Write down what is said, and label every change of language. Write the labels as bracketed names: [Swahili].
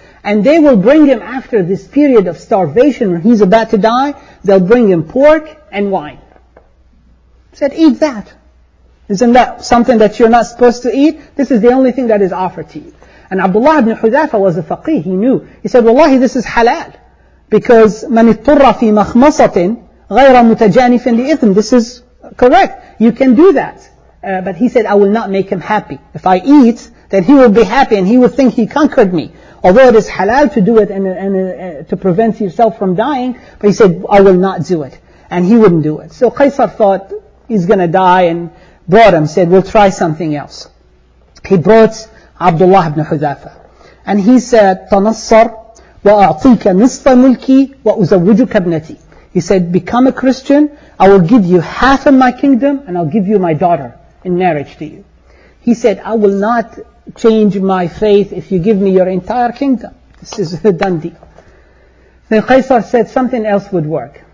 [English] And they will bring him after this period of starvation when he's about to die, they'll bring him pork and wine. He said, eat that. Isn't that something that you're not supposed to eat? This is the only thing that is offered to you. And Abdullah ibn Hudhafa was a faqih, he knew. He said, wallahi, this is halal. Because, [Arabic] man اضطرَّ في مخمصة غير متجانف لإثم. [English] This is correct. You can do that. But he said, I will not make him happy. If I eat, then he will be happy and he will think he conquered me. Although it is halal to do it and to prevent yourself from dying, but he said, I will not do it. And he wouldn't do it. So Qaisar thought, he's gonna die, and brought him, said, we'll try something else. He brought Abdullah ibn Hudhafa. And he said, [Arabic] تَنَصَّرْ وَأَعْطِيكَ نِصْفَ مُلْكِي وَأُزَوِّجُكَ ابْنَتِي. [English] He said, become a Christian, I will give you half of my kingdom, and I'll give you my daughter in marriage to you. He He said, I will not change my faith if you give me your entire kingdom. This is a done deal. Then Qaisar said something else would work.